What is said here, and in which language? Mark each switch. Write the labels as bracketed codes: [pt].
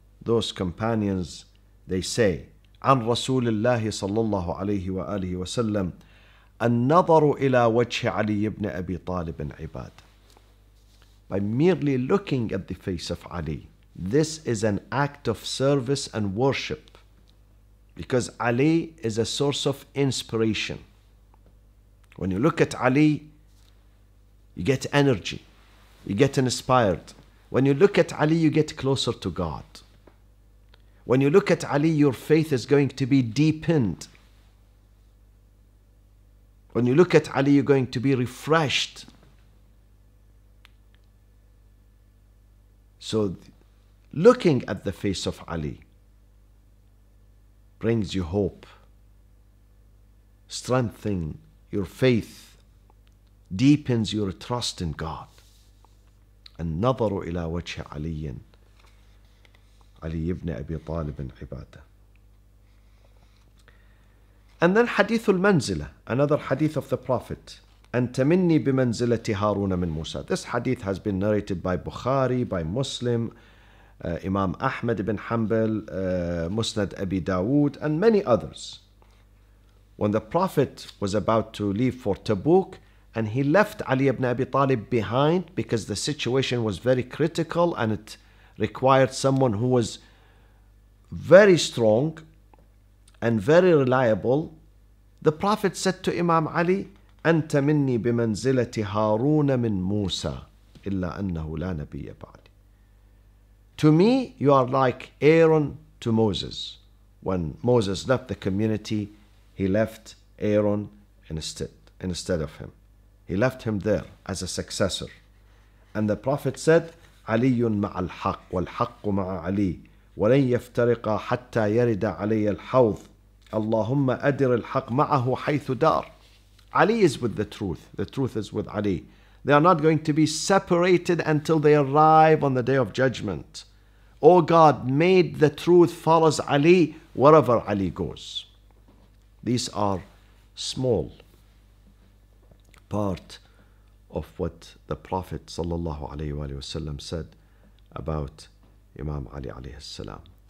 [en] Those companions, they say, [ar] عن رسول الله صلى الله عليه وآله وسلم النظر إلى وجه علي بن أبي طالب عباد. [en] By merely looking at the face of Ali, this is an act of service and worship, because Ali is a source of inspiration. When you look at Ali, you get energy, you get inspired. When you look at Ali, you get closer to God. When you look at Ali, your faith is going to be deepened. When you look at Ali, you're going to be refreshed. So looking at the face of Ali brings you hope, strengthens your faith, deepens your trust in God. [ar] النظر إلى وجه علي علي ابن أبي طالب عبادة. [en] And then hadith al-manzila, another hadith of the Prophet. [ar] أَنْتَ مِنِّي بِمَنْزِلَةِ هَارُونَ مِنْ مُوسَى. [en] This hadith has been narrated by Bukhari, by Muslim, Imam Ahmad ibn Hanbal, Musnad Abi Dawood, and many others. When the Prophet was about to leave for Tabuk, and he left Ali ibn Abi Talib behind because the situation was very critical and it required someone who was very strong and very reliable, the Prophet said to Imam Ali, [ar] أَنْتَ مِنِّي بِمَنْزِلَةِ هَارُونَ مِنْ مُوسَى إِلَّا أَنَّهُ لَا نَبِيَّ بَعْدِ. [en] To me, you are like Aaron to Moses. When Moses left the community, he left Aaron instead of him. He left him there as a successor. And the Prophet said, [ar] عَلِيٌّ مَعَ الْحَقِّ وَالْحَقُّ مَعَ عَلِيٍّ وَلَنْ يَفْتَرِقَ حَتَّى يَرِدَ عَلَيَّ الْحَوْضِ اللهم أدر الحق معه حيث دار. [en] Ali is with the truth. The truth is with Ali. They are not going to be separated until they arrive on the day of judgment. Oh God, made the truth follows Ali wherever Ali goes. These are small part of what the Prophet sallallahu alaihi wasallam said about Imam Ali alayhi salam.